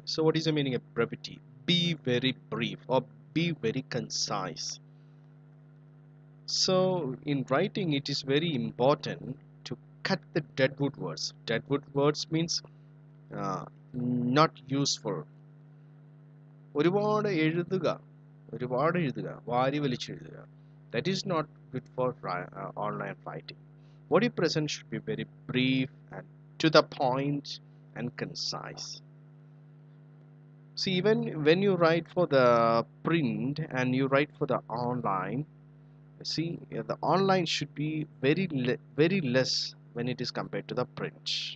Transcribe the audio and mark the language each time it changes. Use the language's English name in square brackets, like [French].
[English] So what is the meaning of brevity? Be very brief or be very concise. So in writing, it is very important to cut the deadwood words. Deadwood words means not useful. [Malayalam] ഒരുപാട് എഴുതുക, ഒരുപാട് എഴുതുക, വാരി വലിച്ചു എഴുതുക. [English] That is not good for online writing. What you present should be very brief and to the point and concise. See, even when you write for the print and you write for the online, see, the online should be very less when it is compared to the print.